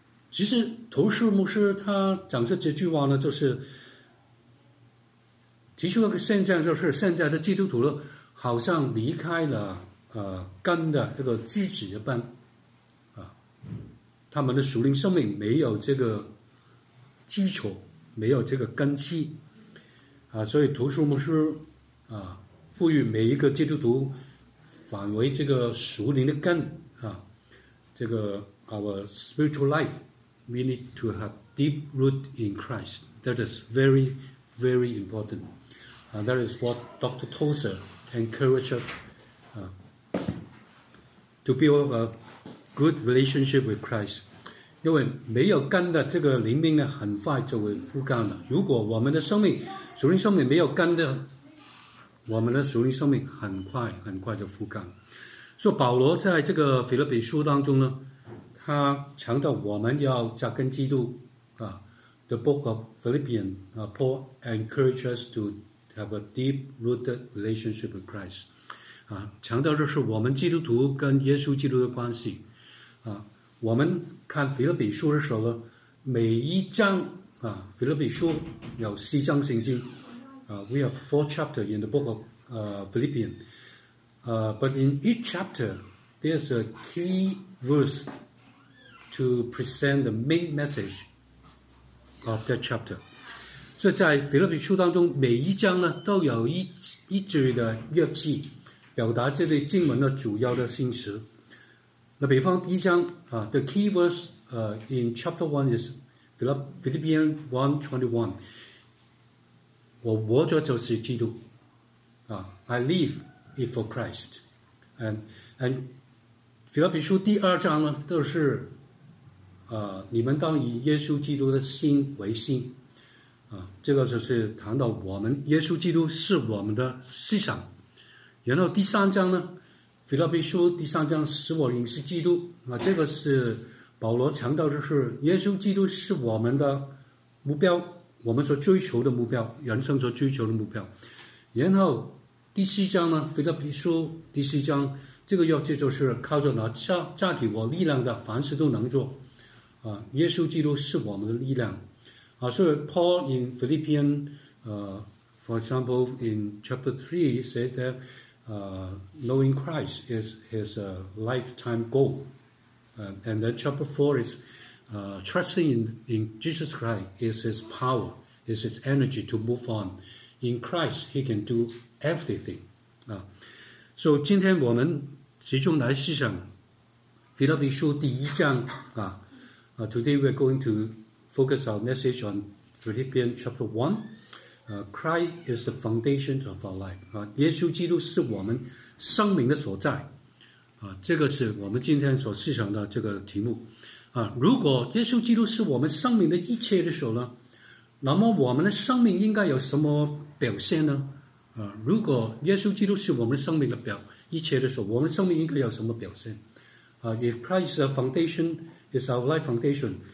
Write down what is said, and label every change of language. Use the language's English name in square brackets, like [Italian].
[Chinese] 其实图树牧师他讲这句话呢，就是提出了个现象，就是现在的基督徒呢好像离开了根的一个基址一般啊，他们的属灵生命没有这个基础，没有这个根基啊。所以图树牧师啊呼吁每一个基督徒返回这个属灵的根啊，这个 [English] our spiritual life,We need to have deep root in Christ. That is very, very important. And that is what Dr. Tozer encouraged to build a good relationship with Christ. [Chinese] 因为没有根的这个灵命呢，很快就会枯干了。如果我们的生命，属灵生命没有根的，我们的属灵生命很快很快就枯干。所以保罗在这个腓立比书当中呢，他强调我们要扎根基督啊 ， [English] The Book of Philippians, Paul encourages us to have a deep-rooted relationship with Christ [Chinese] 啊，强调这是我们基督徒跟耶稣基督的关系啊。我们看腓立比书的时候呢，每一章啊，腓立比书有四章圣经啊 [English] ，We have four chapters in the Book of Philippians, but in each chapter there's a key verse. To present the main message of that chapter. So, in the [Chinese] 腓立比书当中，每一章呢都有一句的约记，表达这类经文的主要的信息。那比方第一章啊， [English] the key verse in chapter one is Philippians 1:21. [Chinese] 我活着就是基督啊， [English] I live it for Christ. [Chinese] And 腓立比书第二章呢，都是你们当以耶稣基督的心为心啊，这个就是谈到我们耶稣基督是我们的思想。然后第三章呢，腓立比书第三章使我认识基督啊，这个是保罗强调的是耶稣基督是我们的目标，我们所追求的目标，人生所追求的目标。然后第四章呢，腓立比书第四章这个要求就是靠着那加给我力量的凡事都能做啊，耶稣基督是我们的力量啊。 [English] 所以 Paul in Philippians for example in chapter 3 says that knowing Christ is his lifetime goal and then chapter 4 is trusting in Jesus Christ is his power, is his energy to move on. In Christ he can do everything So [Chinese] 今天我们集中来思想腓立比书第一章啊。 [English] Today we're going to focus our message on Philippians chapter 1. Christ is the foundation of our life. [Chinese] 耶稣基督是我们生命的所在。这个是我们今天所思想的这个题目。如果耶稣基督是我们生命的一切的时候呢，那么我们的生命应该有什么表现呢？如果耶稣基督是我们生命的一切的时候，我们生命应该有什么表现？ [English] If Christ is the foundation, is our life foundation,